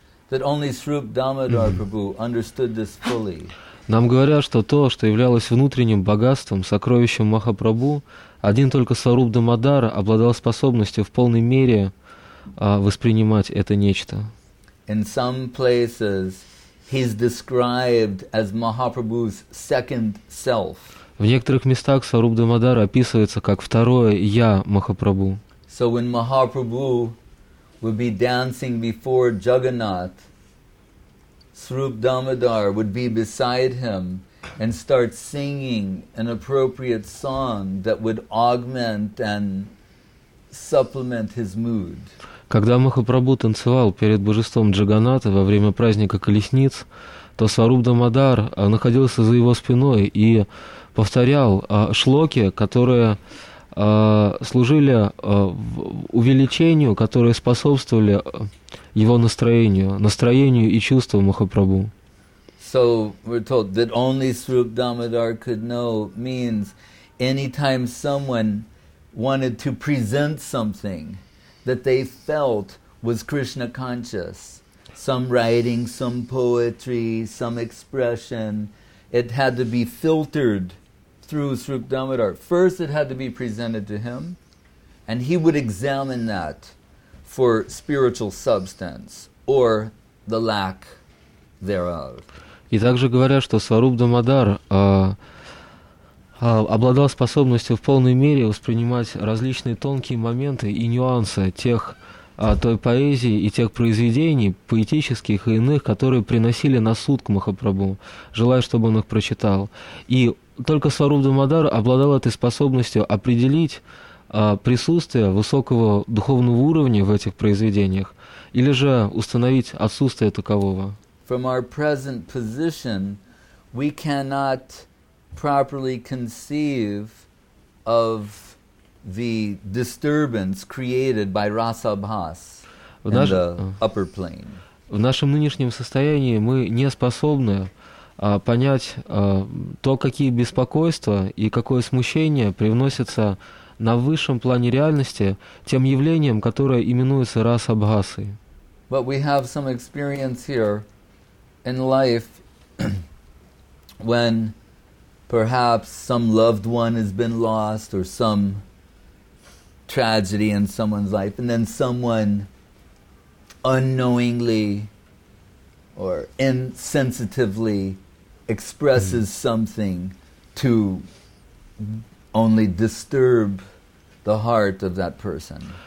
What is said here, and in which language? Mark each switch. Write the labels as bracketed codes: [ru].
[en] That only Srup Damodar Prabhu understood this fully. [ru] Нам говорят, что то, что являлось внутренним богатством, сокровищем Махапрабху, один только Сваруп Дамодар обладал способностью в полной мере воспринимать это нечто. [en] In some places he's described as Mahaprabhu's second self. [ru] В некоторых местах Сваруп Дамодар описывается как второе я Махапрабху. [en] So when Mahaprabhu would be dancing before Jagannath, Srup Damodar would be beside him and start singing an appropriate song that would augment and supplement his mood. [ru] Когда Махапрабху танцевал перед божеством Джаганнатха во время праздника колесниц, то Сваруп Дамодар находился за его спиной и повторял шлоки, которые служили увеличению, которые способствовали его настроению и чувствам Махапрабху. [en] So we're told that only Srup Damodar could know means anytime someone wanted to present something that they felt was Krishna conscious, some writing, some poetry, some expression, it had to be filtered through Srup Damodar. First it had to be presented to him, and he would examine that for spiritual substance or the lack thereof. [ru] И также говорят, что Сваруп Дамодар обладал способностью в полной мере воспринимать различные тонкие моменты и нюансы тех той поэзии и тех произведений поэтических и иных, которые приносили на суд к Махапрабху, желая, чтобы он их прочитал. И только Сваруп Дамодар обладал этой способностью определить присутствие высокого духовного уровня в этих произведениях или же установить отсутствие такового. [en] From our present position, we cannot properly conceive of the disturbance created by Rasabhas in the upper plane. [ru] В нашем нынешнем состоянии мы не способны понять то, какие беспокойства и какое смущение привносится на высшем плане реальности тем явлением, которое именуется Расабхасой. [en] But we have some experience here in life when perhaps some loved one has been lost or some tragedy in someone's life, and then someone unknowingly or insensitively expresses something to only disturb the heart of that person.